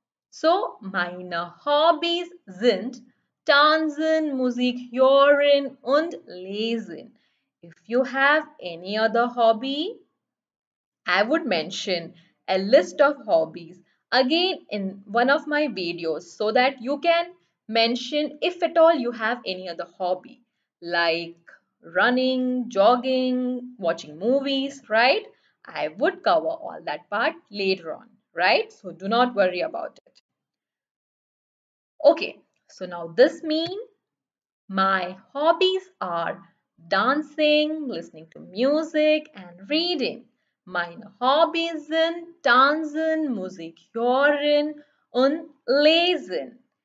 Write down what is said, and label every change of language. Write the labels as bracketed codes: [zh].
[de] So, meine Hobbies sind tanzen, Musik hören und lesen. [en] If you have any other hobby, I would mention a list of hobbies again in one of my videos so that you can mention if at all you have any other hobby like running, jogging, watching movies, right? I would cover all that part later on, right? So do not worry about it. Okay, so now this means my hobbies are dancing, listening to music and reading. [de] Meine Hobbies sind tanzen, Musik hören und lesen.